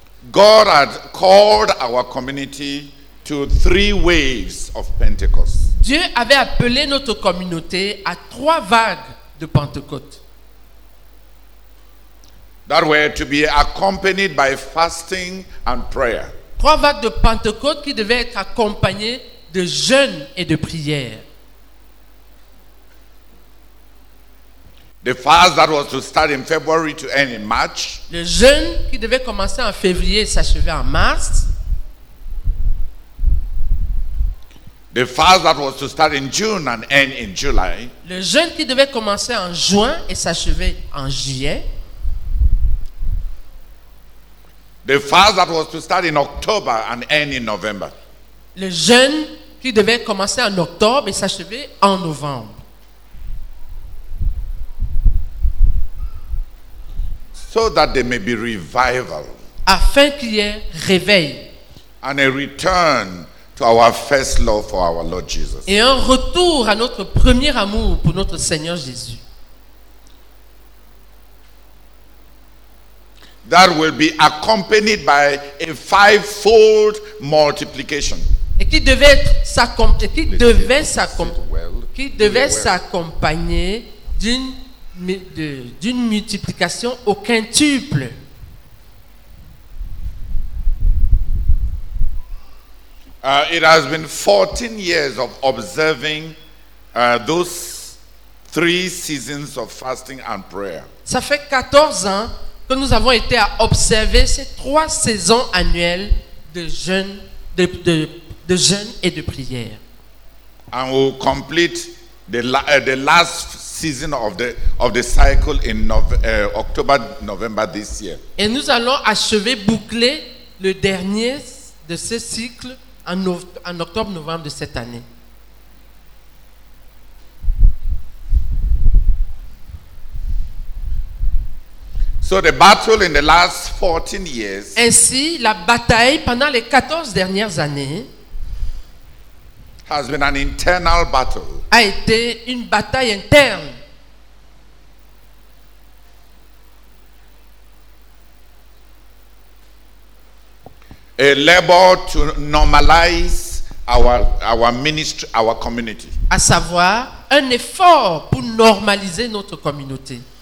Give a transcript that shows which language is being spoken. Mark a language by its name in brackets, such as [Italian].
[English] God had called our community to three waves of Pentecost. [French] Dieu avait appelé notre communauté à trois vagues de Pentecôte. [English] That were to be accompanied by fasting and prayer. [French] Trois vagues de Pentecôte qui devaient être accompagnées de jeûnes et de prières. [English] The fast that was to start in February to end in March. [French] Le jeûne qui devait commencer en février et s'achever en mars. [English] The fast that was to start in June and end in July. [French] Le jeûne qui devait commencer en juin et s'achever en juillet. [English] The fast that was to start in October and end in November. [French] Le jeûne qui devait commencer en octobre et s'achever en novembre. [English] So that there may be revival. [French] Afin qu'il y ait réveil. [English] And a return to our first love for our Lord Jesus. [French] Et un retour à notre premier amour pour notre Seigneur Jésus. [English] That will be accompanied by a fivefold multiplication. [French] Et qui devait s'accompagner d'une multiplication au quintuple. [English] It has been 14 years of observing those three seasons of fasting and prayer. [French] Ça fait 14 ans que nous avons été à observer ces trois saisons annuelles de jeûne et de prière. [English] And we'll complete the last season of the cycle in October, November this year. [French] Et nous allons achever, boucler le dernier de ce cycle en octobre, novembre de cette année. [English] So the battle in the last 14 years. [French] Ainsi, la bataille pendant les 14 dernières années [English] has been an internal battle. [French] A été une bataille interne. [English] A labor to normalize our ministry, our community. [French] À savoir, un effort pour normaliser notre communauté.